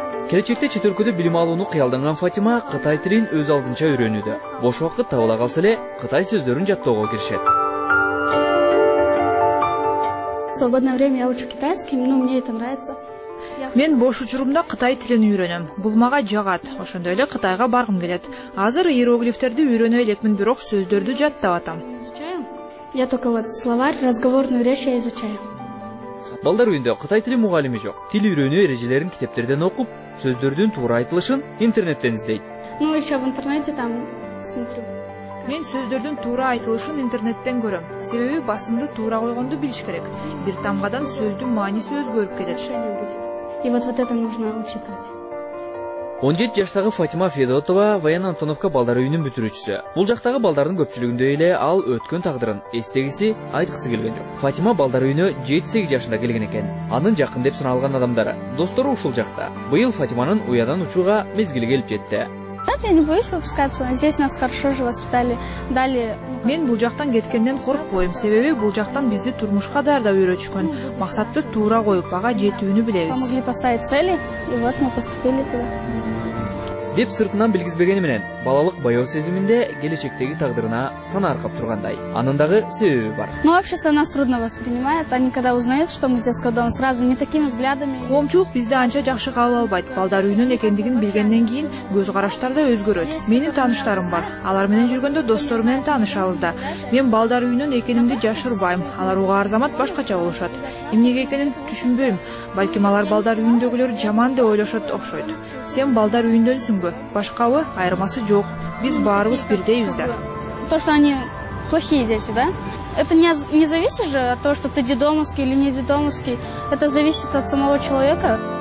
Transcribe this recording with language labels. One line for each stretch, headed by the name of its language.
Kyrgyz: Келечекте чет өлкөдө билим алууну кыялданган Фатима кытай тилин өз алдынча үйрөнүүдө. Бош убакыт табыла калса эле кытай сөздөрүн жаттоого киришет.
Russian: Свободное время я учу китайский, но мне это нравится.
Kyrgyz: Мен бош учурумда кытай тилин үйрөнөм. Бул мага жагат. Ошондой эле кытайга баргым келет. Азыр иероглифтерди үйрөнө элекмин, бирок сөздөрдү жаттап атам.
Russian: Я только вот словарь, разговорную речь я изучаю.
Kyrgyz: Балдар үйүндө кытай тили мугалими жок. Тил үйрөнүү эрежелерин китептерден окуп, сөздөрдүн туура айтылышын интернеттен издейт.
Russian: Ну, еще в интернете там смотрю.
Kyrgyz: Мен сөздөрдүн туура айтылышын интернеттен көрөм. Себеби басымды туура койгонду билиш керек. Бир тамгадан сөздүн мааниси өзгөрүп келет.
Russian: И вот это нужно учитывать.
Kyrgyz: 17 жаштагы Фатима Федотова Баян Антоновка балдар үйүнүн бүтүрүүчүсү. Бул жактагы балдардын көпчүлүгүндө эле ал өткөн тагдырын эстегиси айткысы келген жок. Фатима балдар үйүнө 7-8 жашында келген экен. Анын жакын деп саналган адамдары, достору ушул жакта. Быйыл Фатиманын уядан учууга мезгили келип жетти.
Russian: Я не боюсь выпускаться, здесь нас хорошо же воспитали, дали.
Kyrgyz: Мен бул жактан кеткенден коркпойм, себеби бул жактан бизди турмушка даярдап үйрөтүшкөн. Максатты туура коюп, ага жетүүнү билебиз.
Russian: Помогли поставить цели, и вот мы поступили туда.
Kyrgyz: Деп сыртынан билгизбегени менен балалык боёо сезиминде келечектеги тагдырына сана аркап тургандай. Анын дагы себеби бар.
Russian: Ну, общество нас трудно воспринимает, они когда узнают, что мы с детского дома, сразу не такими взглядами.
Kyrgyz: Коомчулук бизди анча жакшы кабыл албайт. Балдар үйүнүн экендигин билгенден кийин көз караштар да өзгөрөт. Менин тааныштарым бар. Алар менен жүргөндө достор менен таанышабыз да. Мен балдар үйүнүн экенимди жашырбайм. Алар уга арзамат башкача болушат. Эмнеге экенин түшүнбөйм. Балким алар балдар үйүндөгүлөр жаман деп ойлошот окшойт. Сен балдар үйүндөн башкабы, айырмасы жок. Биз баарыбыз бирдейбиз да.
Russian: То, что они плохие дети, да? Это не зависит же от того, что ты детдомовский или не детдомовский. Это зависит от самого человека.